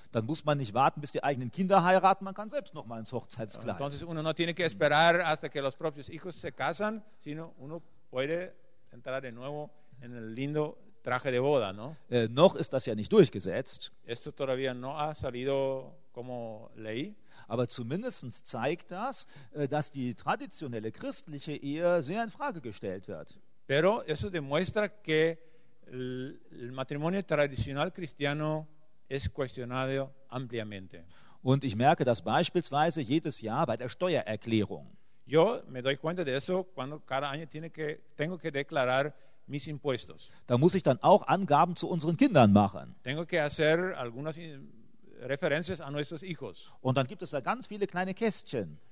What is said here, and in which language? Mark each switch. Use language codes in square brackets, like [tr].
[de] Dann muss man nicht warten, bis die eigenen Kinder heiraten, man kann selbst noch mal ins Hochzeitskleid. [es] Entonces uno no tiene que esperar hasta que los propios hijos se casan, sino uno puede entrar de nuevo en el lindo traje de boda, ¿no? [de] Noch ist das ja nicht durchgesetzt. [es] Esto todavía no ha salido como ley. [de] Aber zumindest zeigt das, dass die traditionelle christliche Ehe sehr in Frage gestellt wird. [es] Pero eso demuestra que el matrimonio tradicional cristiano es cuestionado ampliamente. [de] Und ich merke das beispielsweise jedes Jahr bei der Steuererklärung. [es] Yo me doy cuenta de eso cuando cada año tengo que declarar mis impuestos. [de] Da muss ich dann auch Angaben zu unseren Kindern machen. [es] Tengo que hacer algunas referencias a nuestros hijos. [de] Und dann gibt es da ganz viele kleine Kästchen.